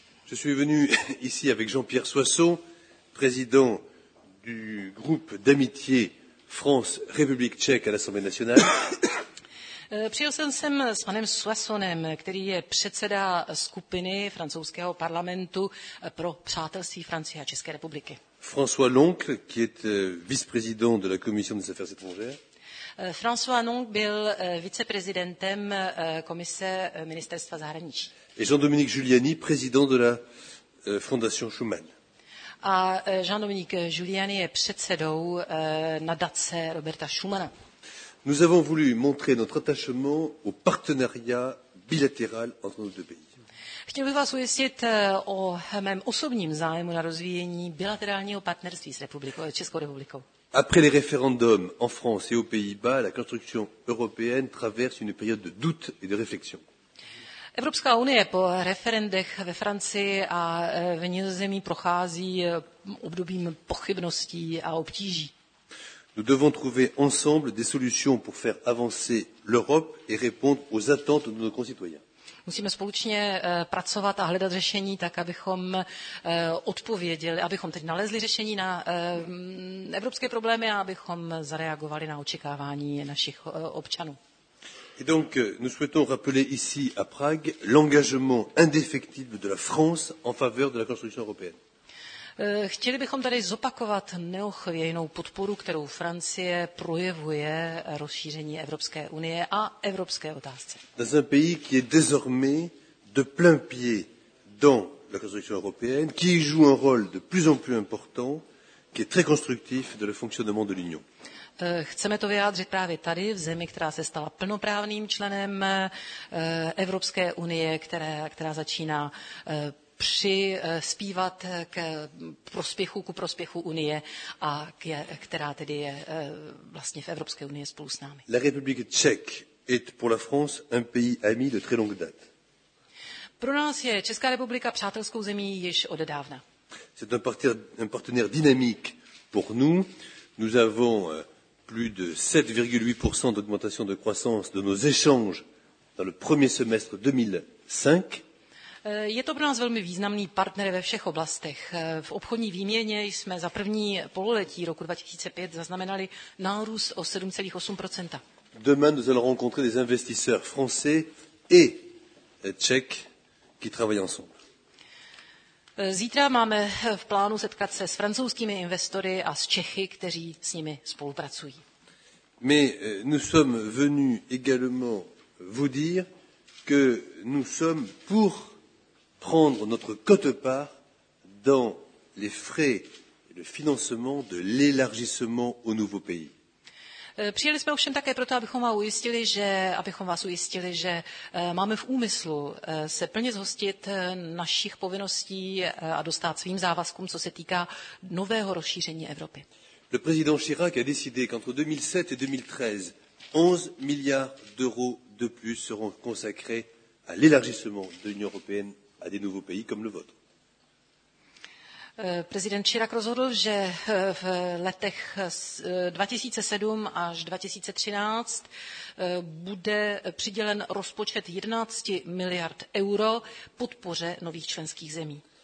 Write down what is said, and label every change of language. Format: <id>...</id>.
<fr>Je suis venu ici avec Jean-Pierre Soisson, président du groupe d'amitié France-République Tchèque à l'Assemblée nationale.</fr> <cs>Přijel jsem sem s panem Soissonem, který je předseda skupiny francouzského parlamentu pro přátelství Francie a České republiky.</cs> <fr>François Loncle, qui est vice-président de la Commission des affaires étrangères.</fr> <cs>François Nong byl viceprezidentem komise ministerstva zahraničí.</cs> <fr>Et Jean-Dominique Giuliani, président de la Fondation Schumann.</fr> <cs>A Jean-Dominique Giuliani je předsedou nadace Roberta Schumana.</cs> <fr>Nous avons voulu montrer notre attachement au partenariat bilatéral entre nos deux pays.</fr> <cs>Chtěl bych vás ujistit o mém osobním zájmu na rozvíjení bilaterálního partnerství s Českou republikou.</cs> <fr>Après les référendums en France et aux Pays-Bas, la construction européenne traverse une période de doute et de réflexion.</fr> <cs>Evropská unie po referendech ve Francii a v Nizozemí prochází obdobím pochybností a obtíží.</cs> <fr>Nous devons trouver ensemble des solutions pour faire avancer l'Europe et répondre aux attentes de nos concitoyens.</fr> <cs>Musíme společně pracovat a hledat řešení tak, abychom odpověděli, abychom teď nalezli řešení na evropské problémy a abychom zareagovali na očekávání našich občanů.</cs> <fr>Et donc nous souhaitons rappeler ici à Prague l'engagement indéfectible de la France en faveur de la construction européenne.</fr> <cs>Chtěli bychom tady zopakovat neochvějnou podporu, kterou Francie projevuje rozšíření Evropské unie a evropské otázce.</cs> <fr>Dans un pays qui est désormais de plein pied dans la construction européenne, qui joue un rôle de plus en plus important, qui est très constructif de le fonctionnement de l'Union.</fr> <cs>Chceme to vyjádřit právě tady, v zemi, která se stala plnoprávným členem Evropské unie, která začíná přispívat ku prospěchu Unie a která tedy je vlastně v Evropské unii spolu s námi.</cs> <fr>La République tchèque est pour la France un pays ami de très longue date.</fr> <cs>Pro nás je Česká republika přátelskou zemí již od dávna.</cs> <fr>C'est un partenaire dynamique pour nous. Nous avons plus de 7,8% d'augmentation de croissance de nos échanges dans le premier semestre 2005.</fr> <cs>Je to pro nás velmi významný partner ve všech oblastech. V obchodní výměně jsme za první pololetí roku 2005 zaznamenali nárůst o 7,8%.</cs> <fr>Demain, nous allons rencontrer des investisseurs français et tchèques qui travaillent ensemble.</fr> <cs>Zítra máme v plánu setkat se s francouzskými investory a s Čechy, kteří s nimi spolupracují.</cs> <fr>Mais nous sommes venus également vous dire que nous sommes pour prendre notre quote-part dans les frais de financement de l'élargissement au nouveau pays.</fr> <cs>Přijeli jsme ovšem také proto, abychom vás ujistili, že máme v úmyslu se plně zhostit našich povinností a dostát svým závazkům, co se týká nového rozšíření Evropy.</cs> <fr>Le président Chirac a décidé qu'entre 2007 et 2013, 11 milliards d'euros de plus seront consacrés à l'élargissement de l'Union européenne à des nouveaux pays comme le vôtre.</fr> <cs>Prezident Chirac rozhodl, že v letech 2007 až 2013 bude přidělen rozpočet 11 miliard euro podpoře nových členských zemí.</cs>